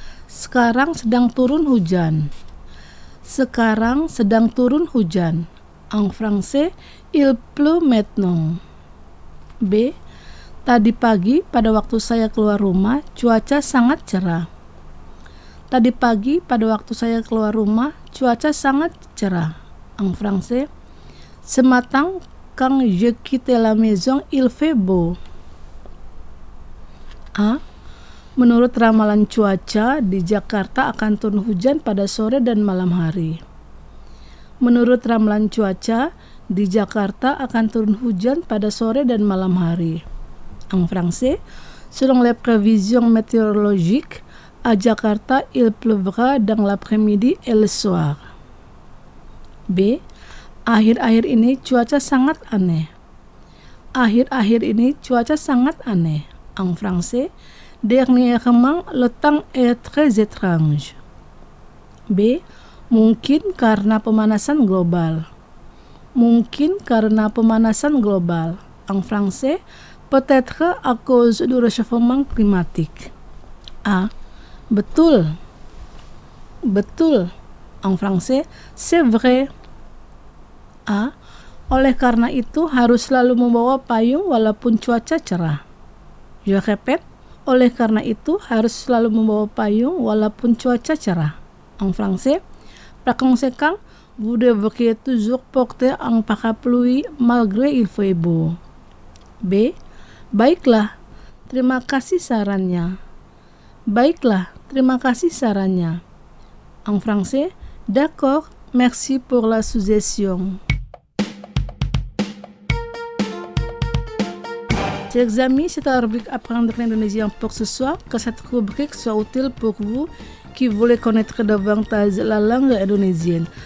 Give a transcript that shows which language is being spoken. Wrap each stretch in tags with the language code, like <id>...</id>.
<id>Sekarang sedang turun hujan. Sekarang sedang turun hujan.</id> <fr>En français, il pleut maintenant. B.</fr> <id>Tadi pagi pada waktu saya keluar rumah, cuaca sangat cerah. Tadi pagi pada waktu saya keluar rumah, cuaca sangat cerah.</id> <fr>En français, ce matin quand je quitte la maison, il fait beau. A.</fr> <id>Menurut ramalan cuaca, di Jakarta akan turun hujan pada sore dan malam hari. Menurut ramalan cuaca, di Jakarta akan turun hujan pada sore dan malam hari.</id> <fr>En français, selon les prévisions météorologiques, à Jakarta il pleuvra dans l'après-midi et le soir. B.</fr> <id>Akhir-akhir ini cuaca sangat aneh. Akhir-akhir ini cuaca sangat aneh.</id> <fr>En français, dernièrement le temps est très étrange. B.</fr> <id>Mungkin karena pemanasan global. Mungkin karena pemanasan global.</id> <fr>En français, peut-être à cause du réchauffement climatique.</fr> <id>A. Betul. Betul.</id> <fr>En français, c'est vrai. A.</fr> <id>Oleh karena itu, harus selalu membawa payung walaupun cuaca cerah.</id> <fr>Je répète.</fr> <id>Oleh karena itu, harus selalu membawa payung walaupun cuaca cerah.</id> <fr>En français, par conséquent, vous devriez toujours porter un parapluie malgré il fait beau. B.</fr> <id>Baiklah, terima kasih sarannya. Baiklah, terima kasih sarannya.</id> <fr>En français, d'accord, merci pour la suggestion. Chers amis, c'est la rubrique Apprendre l'Indonésien pour ce soir. Que cette rubrique soit utile pour vous qui voulez connaître davantage la langue indonésienne.</fr>